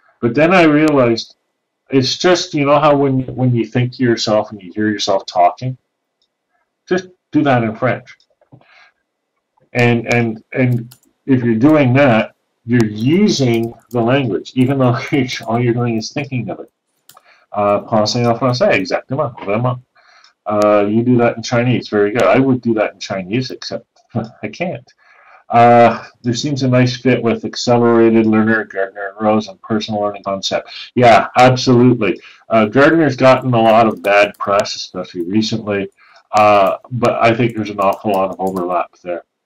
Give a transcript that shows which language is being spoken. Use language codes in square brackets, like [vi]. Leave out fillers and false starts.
[en] But then I realized it's just, how when you think to yourself and you hear yourself talking, just do that in French. And if you're doing that, you're using the language, even though all you're doing is thinking of it. [fr] Pensez en français, exactement, vraiment. [en] You do that in Chinese, very good. I would do that in Chinese, except I can't. There seems a nice fit with accelerated learner Gardner-Rose and personal learning concept. Yeah, absolutely. Gardner's gotten a lot of bad press, especially recently, but I think there's an awful lot of overlap there.